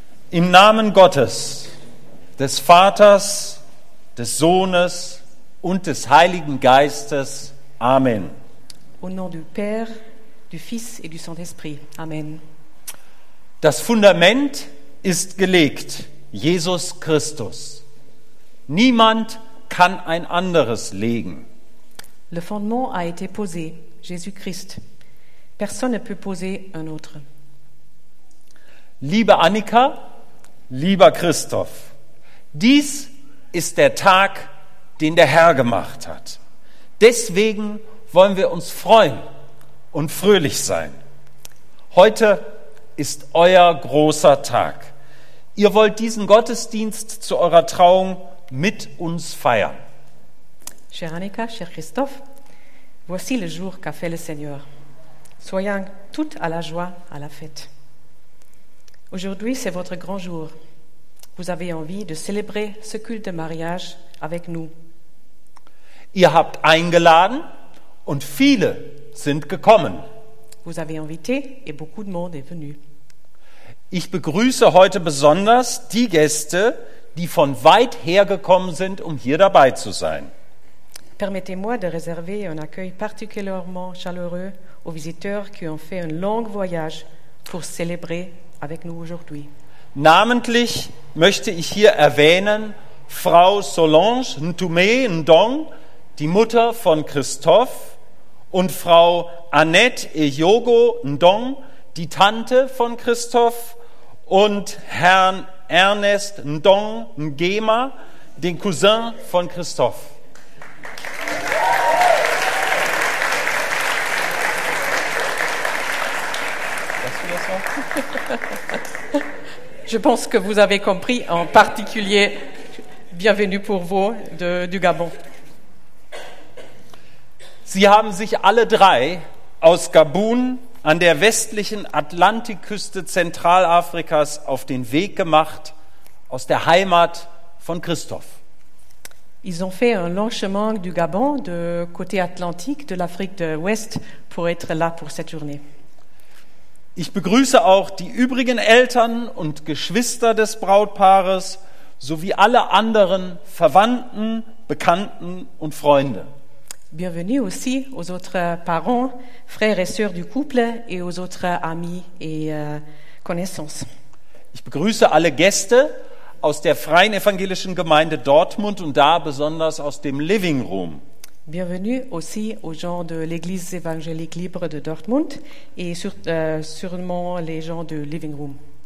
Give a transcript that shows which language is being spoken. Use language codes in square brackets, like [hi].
[de] Im Namen Gottes, des Vaters, des Sohnes und des Heiligen Geistes. Amen. [fr] Au nom du Père, du Fils et du Saint-Esprit. Amen. [de] Das Fundament ist gelegt, Jesus Christus. Niemand kann ein anderes legen. [fr] Le fondement a été posé, Jésus-Christ. Personne ne peut poser un autre. [de] Liebe Annika, lieber Christoph, dies ist der Tag, den der Herr gemacht hat. Deswegen wollen wir uns freuen und fröhlich sein. Heute ist euer großer Tag. Ihr wollt diesen Gottesdienst zu eurer Trauung mit uns feiern. [fr] Chère Annika, cher Christophe, voici le jour qu'a fait le Seigneur. Soyons toutes à la joie, à la fête. Aujourd'hui, c'est votre grand jour. Vous avez envie de célébrer ce culte de mariage avec nous. [de] Ihr habt eingeladen und viele sind gekommen. [fr] Vous avez invité et beaucoup de monde est venu. [de] Ich begrüße heute besonders die Gäste, die von weit her gekommen sind, um hier dabei zu sein. [fr] Permettez-moi de réserver un accueil particulièrement chaleureux aux visiteurs qui ont fait un long voyage pour célébrer avec nous aujourd'hui. [de] Namentlich möchte ich hier erwähnen Frau Solange Ntoumé Ndong, die Mutter von Christophe, und Frau Annette Eyogo Ndong, die Tante von Christophe, und Herrn Ernest Ndong Ngema, den Cousin von Christophe. [fr] Je pense que vous avez compris, en particulier, bienvenue pour vous du Gabon. [de] Sie haben sich alle drei aus Gabun an der westlichen Atlantikküste Zentralafrikas auf den Weg gemacht, aus der Heimat von Christophe. [fr] Ils ont fait un long chemin du Gabon, de côté atlantique de l'Afrique de l'Ouest, pour être là pour cette journée. [de] Ich begrüße auch die übrigen Eltern und Geschwister des Brautpaares sowie alle anderen Verwandten, Bekannten und Freunde. [fr] Bienvenue aussi aux autres parents, frères et sœurs du couple et aux autres amis et connaissances. [de] Ich begrüße alle Gäste aus der Freien Evangelischen Gemeinde Dortmund und da besonders aus dem Living Room. [fr] Bienvenue aussi aux gens de l'Église évangélique libre de Dortmund et sûrement les gens du Living Room.